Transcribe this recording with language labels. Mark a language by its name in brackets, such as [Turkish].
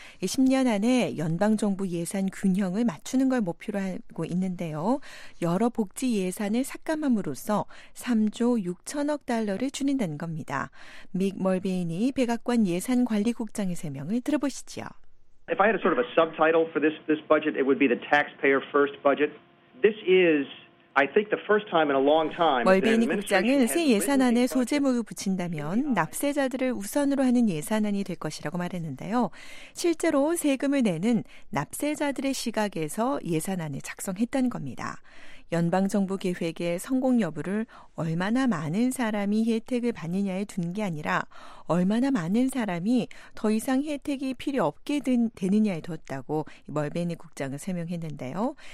[Korean] 10년 안에 연방정부 예산 균형을 맞추는 걸 목표로 하고 있는데요. 여러 복지 예산을 삭감함으로써 3조 6천억 달러를 줄인다는 겁니다. 믹 멀베인이 백악관 예산관리국장의 설명을 들어보시죠. [English] If I had a sort of a subtitle for this budget, it would be the taxpayer first budget. This is I think the first time in a long time. [Korean] 멀베이니 국장은 새 예산안에 소제목을 붙인다면 납세자들을 우선으로 하는 예산안이 될 것이라고 말했는데요. 실제로 세금을 내는 납세자들의 시각에서 예산안을 작성했다는 겁니다. 연방정부 계획의 성공 여부를 얼마나 많은 사람이 혜택을 받느냐에 둔 게 아니라 얼마나 많은 사람이 더 이상 혜택이 필요 없게 되느냐에 뒀다고 멀베니 국장은 설명했는데요.